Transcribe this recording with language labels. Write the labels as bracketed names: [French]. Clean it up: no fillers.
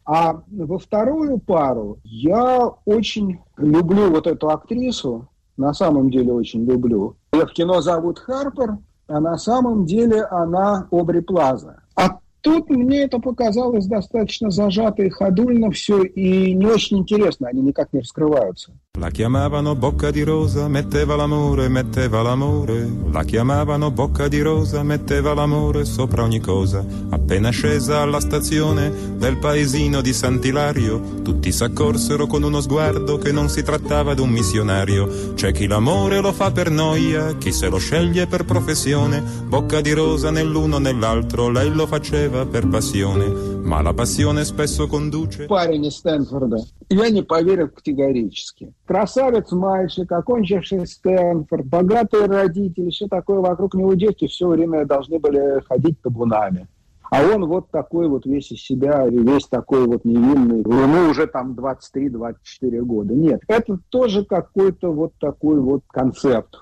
[Russian] А во вторую пару я очень люблю вот эту актрису, на самом деле очень люблю. Ее в кино зовут Харпер, а на самом деле она Обри Плаза. А тут мне это показалось достаточно зажато и ходульно все, и не очень интересно, они никак не раскрываются. [Italian] La chiamavano bocca di rosa, metteva l'amore, metteva l'amore. La chiamavano bocca di rosa, metteva l'amore sopra ogni cosa. Appena scesa alla stazione del paesino di Sant'Ilario, tutti s'accorsero con uno sguardo che non si trattava d'un missionario. C'è chi l'amore lo fa per noia, chi se lo sceglie per professione. Bocca di rosa nell'uno nell'altro, lei lo faceva per passione. Ma la passione spesso conduce. Parini Stanford. [Russian] Я не поверил категорически. Красавец мальчик, окончивший Стэнфорд, богатые родители, все такое вокруг него, дети все время должны были ходить табунами. А он вот такой вот весь из себя, весь такой вот невинный. Ему уже там 23-24 года. Нет, это тоже какой-то вот такой вот концепт.